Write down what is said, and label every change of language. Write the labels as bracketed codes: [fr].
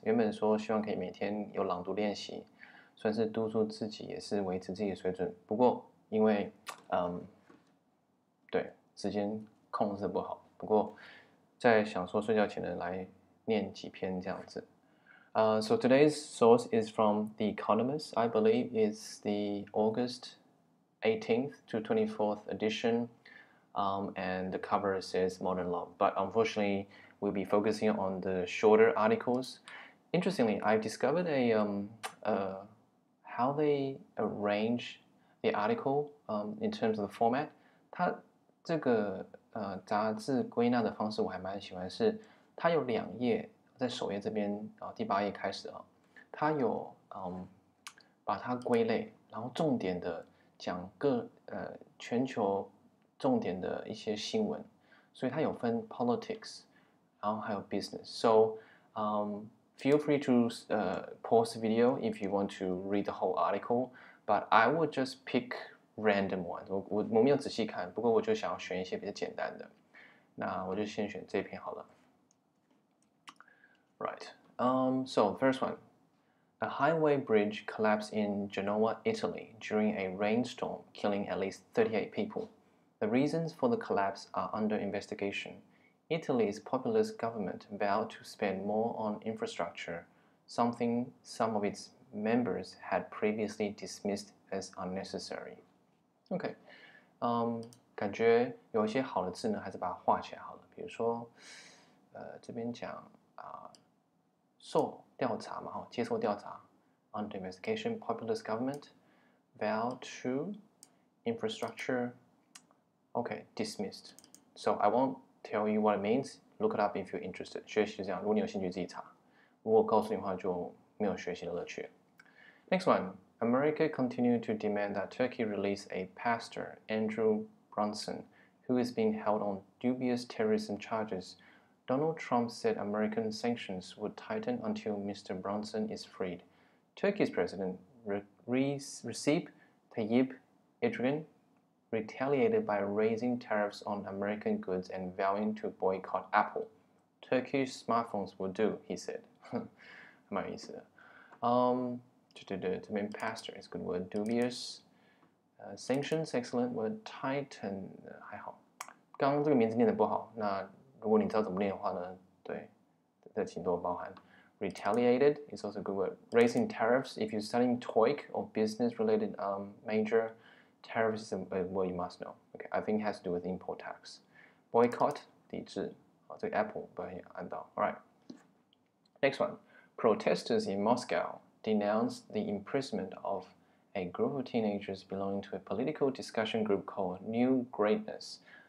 [zh] 原本说希望可以每天有朗读练习，算是督促自己，也是维持自己的水准。不过因为对，时间控制不好。不过在想说睡觉前能来念几篇这样子。 [en] So today's source is from The Economist, I believe it's the August 18th to 24th edition, and the cover says Modern Love, but unfortunately we'll be focusing on the shorter articles. Interestingly, I discovered how they arrange the article in terms of the format. [zh] 它这个杂志归纳的方式我还蛮喜欢，是它有两页，在首页这边第八页开始，它有把它归类，然后重点的讲各全球重点的一些新闻，所以它有分 politics 然后还有 business. [en] So feel free to pause the video if you want to read the whole article, but I would just pick random ones. [zh] 我没有仔细看，不过我就想要选一些比较简单的，那我就先选这篇好了。 [en] Right. So first one. A highway bridge collapsed in Genoa, Italy during a rainstorm, killing at least 38 people. The reasons for the collapse are under investigation. Italy's populist government vowed to spend more on infrastructure, something some of its members had previously dismissed as unnecessary. Okay. [zh] 感觉有一些好的字呢，还是把它画起来好了。比如说，这边讲受调查嘛，接受调查 [en] under investigation, populist government, vow to, infrastructure, okay, dismissed. So I won't tell you what it means, look it up if you're interested. [zh] 学习是这样，如果你有兴趣自己查，如果告诉你的话就没有学习的乐趣。 [en] Next one, America continued to demand that Turkey release a pastor, Andrew Brunson, who is being held on dubious terrorism chargesDonald Trump said American sanctions would tighten until Mr. Brunson is freed. Turkey's President Recep Tayyip Erdogan retaliated by raising tariffs on American goods and vowing to boycott Apple. Turkish smartphones will do, he said. [zh] 蛮有意思的。这边 [en] pastor is a good word. Dubious. Sanctions, excellent word. Tighten, [zh] 还好。刚刚这个名字念得不好，那如果你知道怎么念的话呢，对，再请多包涵。 [en] Retaliated is also a good word. Raising tariffs, if you're studying TOEIC or business-related major, tariffs is a word you must know. Okay, I think it has to do with import tax. Boycott, [zh] 抵制，这个 [en] Apple [zh] 不要按到。 [en] All right, next one. Protesters in Moscow denounced the imprisonment of a group of teenagers belonging to a political discussion group called New Greatness.